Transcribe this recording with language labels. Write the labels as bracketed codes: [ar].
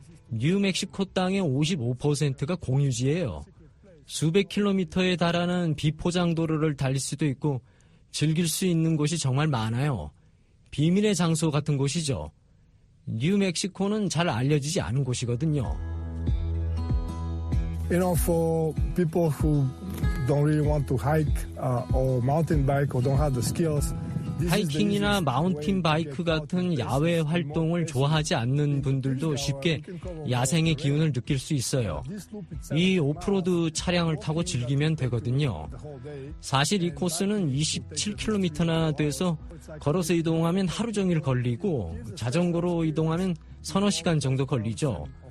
[ko] 뉴멕시코 땅의 55%가 공유지예요. 수백 킬로미터에 달하는 비포장 도로를 달릴 수도 있고 즐길 수 있는 곳이 정말 많아요. 비밀의 장소 같은 곳이죠. 뉴멕시코는 잘 알려지지 않은 곳이거든요. [en] You know, for people who don't really want to hike or mountain bike or don't have the skills. [ko] 하이킹이나 마운틴 바이크 같은 야외 활동을 좋아하지 않는 분들도 쉽게 야생의 기운을 느낄 수 있어요. 이 오프로드 차량을 타고 즐기면 되거든요. 사실 이 코스는 27km나 돼서 걸어서 이동하면 하루 종일 걸리고 자전거로 이동하면 서너 시간 정도 걸리죠.